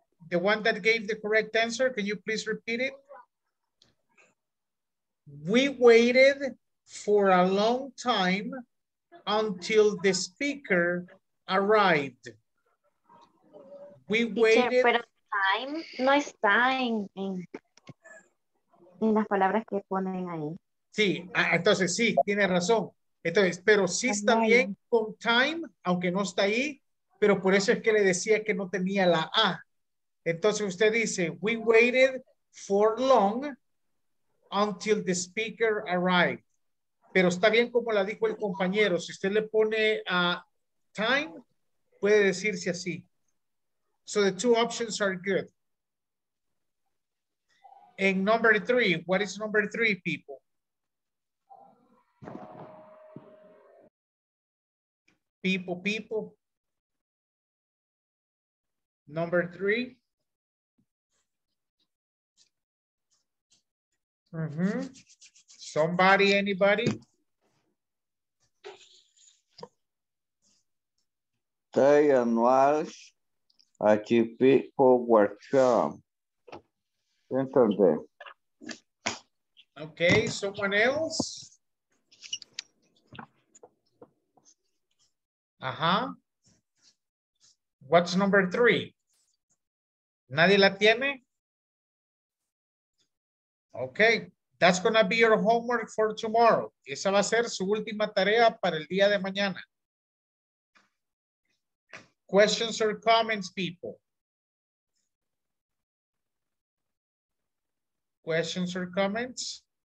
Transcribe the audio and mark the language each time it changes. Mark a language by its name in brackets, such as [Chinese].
[English] The one that gave the correct answer, can you please repeat it? We waited for a long time until the speaker arrived. We waited. [Spanish] Pero time no es time en las palabras que ponen ahí. Sí, entonces sí, tiene razón. Entonces, pero sí está bien con time, aunque no está ahí, pero por eso es que le decía que no tenía la A. Entonces usted dice, [English] we waited for long until the speaker arrived. [Spanish] Pero está bien como la dijo el compañero. Si usted le pone a time, puede decirse así. [English] So the two options are good. And number three, what is number three, people? Number three. Mm-hmm. Somebody, anybody? The annual IGP workshop. Entonces. Okay, someone else? Uh-huh. What's number three? [Spanish] ¿Nadie la tiene? [English] Okay, that's gonna be your homework for tomorrow. [Spanish] Esa va a ser su última tarea para el día de mañana. [English] Questions or comments, people? Questions or comments?